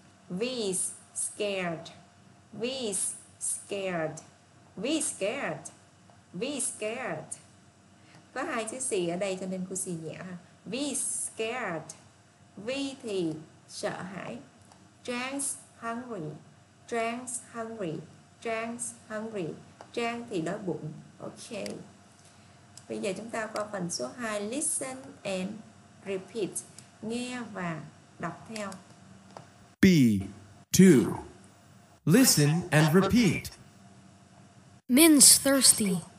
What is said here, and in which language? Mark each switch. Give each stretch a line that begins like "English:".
English: V's scared, V's scared, V's scared, V's scared.
Vietnamese: Có hai chữ xì ở đây cho nên cô xì nhẹ ha.
English: V's scared,
Vietnamese: V thì sợ hãi.
English: Trang's hungry, Trang's hungry, Trang's hungry.
Vietnamese: Trang thì đói bụng. Ok. Bây giờ chúng ta qua phần số 2.
English: Listen and repeat.
Vietnamese: Nghe và đọc theo.
English: B 2. Listen and repeat. Min's thirsty.